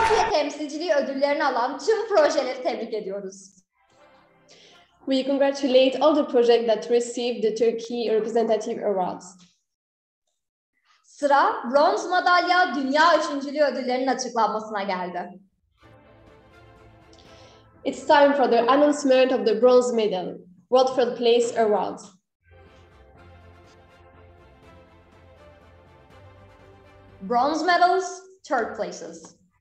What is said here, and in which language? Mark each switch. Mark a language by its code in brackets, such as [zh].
[tr] Temsilciliği ödüllerini alan tüm projeleri tebrik ediyoruz. [en] We congratulate all the projects that received the Turkey Representative Awards. [tr] Sıra bronz madalya dünya üçüncülüğü ödüllerinin açıklanmasına geldi. [en] It's time for the announcement of the bronze medal, Watford Place Awards. Bronze medals, third places.